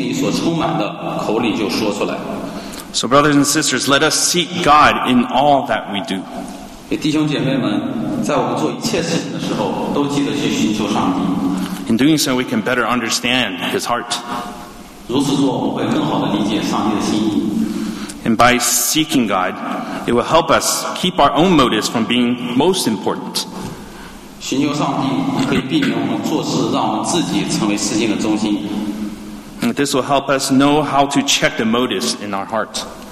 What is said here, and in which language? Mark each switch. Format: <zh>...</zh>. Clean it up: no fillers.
<zh>路加福音6:45节说道，善人从他心所存的善就发出善来，恶人从他心中所存的恶就发出恶来，因为心里所充满的，口里就说出来。</zh> <en>So brothers and sisters, let us seek God in all that we do.</en> <zh>弟兄姐妹们，在我们做一切事情的时候，都记得去寻求上帝。</zh> <en>In doing so, we can better understand his heart.</en> <zh>如此做，我们会更好地理解上帝的心意。</zh> <en>And by seeking God, it will help us keep our own motives from being most important.</en> <zh>寻求上帝可以避免我们做事，让我们自己成为事情的中心。</zh> <en>And this will help us know how to check the motives in our heart.</en>